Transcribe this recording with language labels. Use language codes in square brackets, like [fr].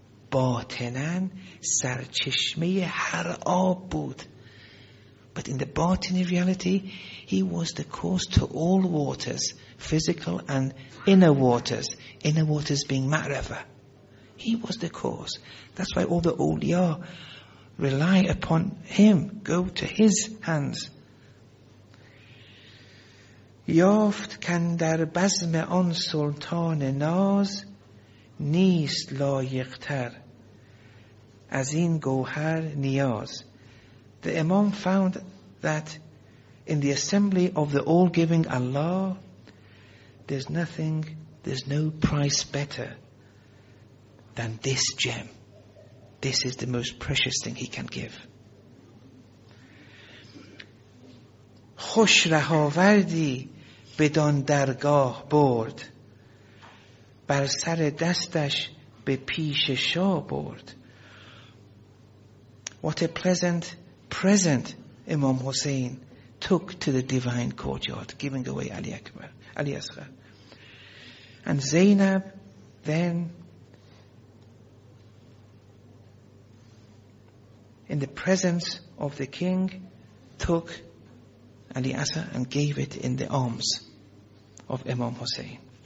[fa] Batinan sarchishmi har abud, [en] but in the batini reality, he was the cause to all waters, physical and inner waters being ma'rifah. He was the cause. That's why all the awliya rely upon him, go to his hands. [fa] یافت کندر بزم آن سلطان ناز نیست لایقتر از این گوهر نیاز. [en] The Imam found that in the assembly of the all-giving Allah, there's no price better than this gem. This is the most precious thing he can give. [fa] خوش رهاوردی بدان درگاه برد, بر سر دستش به پیش شاه برد. [en] What a pleasant present Imam Hussein took to the divine courtyard, giving away Ali Akbar, Ali Asghar. And Zainab then, in the presence of the king, took Ali Asghar and gave it in the arms of Imam Hussein.